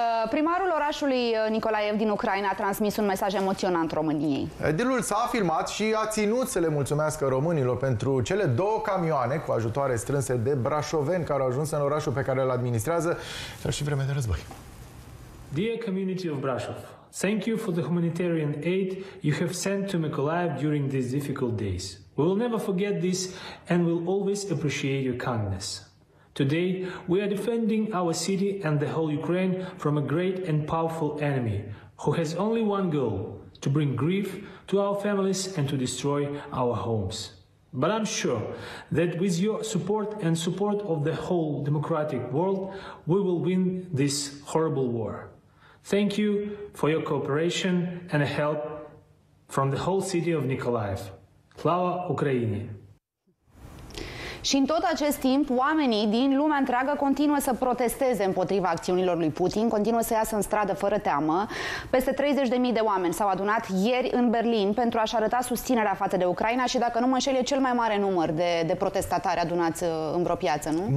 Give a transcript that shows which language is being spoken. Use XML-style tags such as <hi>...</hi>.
<ro>Primarul orașului Nicolaev din Ucraina a transmis un mesaj emoționant României. Edilul s-a afirmat și a ținut să le mulțumească românilor pentru cele 2 camioane cu ajutoare strânse de brașoveni care au ajuns în orașul pe care îl administrează, chiar și vreme de război.</ro> <en>Dear community of Brașov, thank you for the humanitarian aid you have sent to Mykolaiv during these difficult days. We will never forget this and will always appreciate your kindness. Today, we are defending our city and the whole Ukraine from a great and powerful enemy who has only one goal, to bring grief to our families and to destroy our homes. But I'm sure that with your support and support of the whole democratic world, we will win this horrible war. Thank you for your cooperation and help from the whole city of Nikolaev.</en> <uk>Slava Ukraini!</uk> <ro>Și în tot acest timp, oamenii din lumea întreagă continuă să protesteze împotriva acțiunilor lui Putin, continuă să iasă în stradă fără teamă. Peste 30.000 de oameni s-au adunat ieri în Berlin pentru a-și arăta susținerea față de Ucraina și, dacă nu mă înșel, e cel mai mare număr de protestatari adunați în vreo piață, nu?</ro>